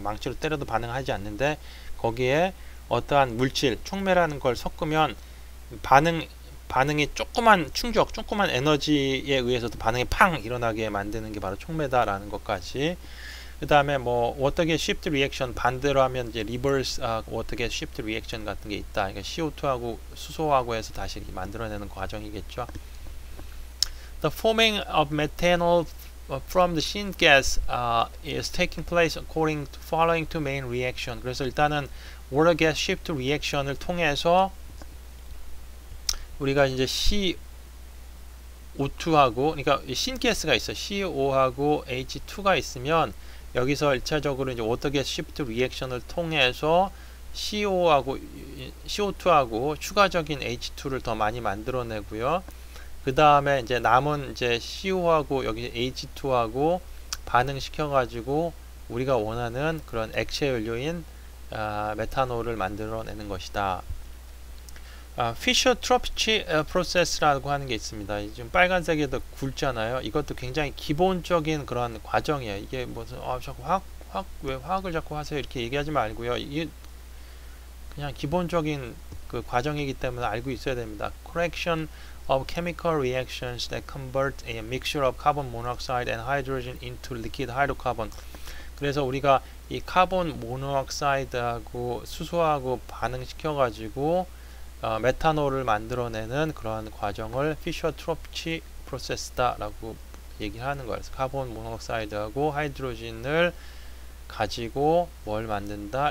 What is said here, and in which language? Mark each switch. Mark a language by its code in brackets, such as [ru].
[ko] 망치로 때려도 반응하지 않는데 거기에 어떠한 물질, 촉매라는 걸 섞으면 반응이 조그만 충격, 조그만 에너지에 의해서도 반응이 팡 일어나게 만드는 게 바로 촉매다라는 것까지. 그 다음에 뭐 워터겟 쉬프트 리액션 반대로 하면 이제 리버스 워터겟 쉬프트 리액션 같은 게 있다. 그러니까 CO2하고 수소하고 해서 다시 이렇게 만들어내는 과정이겠죠. [en] The forming of methanol from the syn gas is taking place according to following two main reactions. [ko] 그래서 일단은 water gas shift reaction을 통해서 우리가 이제 CO2하고 그러니까 syn gas가 있어. CO하고 H2가 있으면 여기서 1차적으로 이제 water gas shift reaction을 통해서 CO하고 CO2하고 추가적인 H2를 더 많이 만들어 내고요. 그다음에 이제 남은 이제 CO하고 여기 H2하고 반응시켜 가지고 우리가 원하는 그런 액체 연료인 메탄올을 만들어내는 것이다. Fischer Tropsch process라고 하는 게 있습니다. 지금 빨간색에도 굵잖아요. 이것도 굉장히 기본적인 그런 과정이에요. 이게 무슨 자꾸 화학을 자꾸 하세요 이렇게 얘기하지 말고요. 이게 그냥 기본적인 그 과정이기 때문에 알고 있어야 됩니다. [en] Correction of chemical reactions that convert a mixture of carbon monoxide and hydrogen into liquid hydrocarbon. [ko] 그래서 우리가 이 카본 모노옥사이드하고 수소하고 반응시켜가지고 메탄올을 만들어내는 그러한 과정을 피셔트로프치 프로세스다라고 얘기하는 거예요. 그래서 카본 모노옥사이드하고 하이드로진을 가지고 뭘 만든다?